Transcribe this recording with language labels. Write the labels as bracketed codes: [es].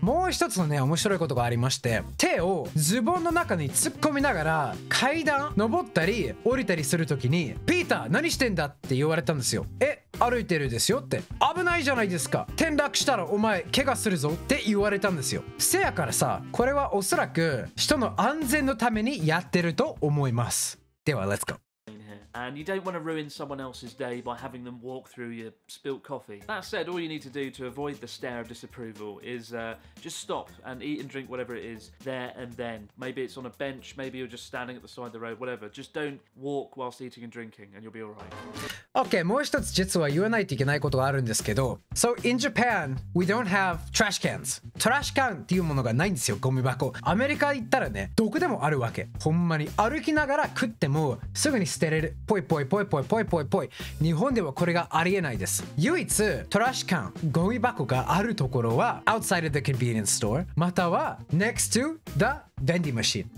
[ja] もう一つのね面白いことがありまして、手をズボンの中に突っ込みながら階段登ったり降りたりするときに、ピーター何してんだって言われたんですよ。え、歩いてるですよって、危ないじゃないですか、転落したらお前怪我するぞって言われたんですよ。せやからさ、これはおそらく人の安全のためにやってると思います。ではレッツゴー。 [en] And you don't want to ruin someone else's day by having them walk through your spilt coffee. That said, all you need to do to avoid the stare of disapproval is just stop and eat and drink whatever it is there and then. Maybe it's on a bench, maybe you're just standing at the side of the road, whatever. Just don't walk whilst eating and drinking and you'll be alright. [ja] Okay, もう一つ実は言わないといけないことがあるんですけど。 [en] So in Japan, we don't have trash cans. [ja] トラッシュ缶っていうものがないんですよ、ゴミ箱。アメリカ行ったらね、どこでもあるわけ。ほんまに歩きながら食ってもすぐに捨てれる。ポイポイポイポイポイポイポイ、日本ではこれがありえないです。唯一トラッシュ缶ゴミ箱があるところは [en] outside of the convenience store [ja] または [en] next to the [ja] ベンディマシン。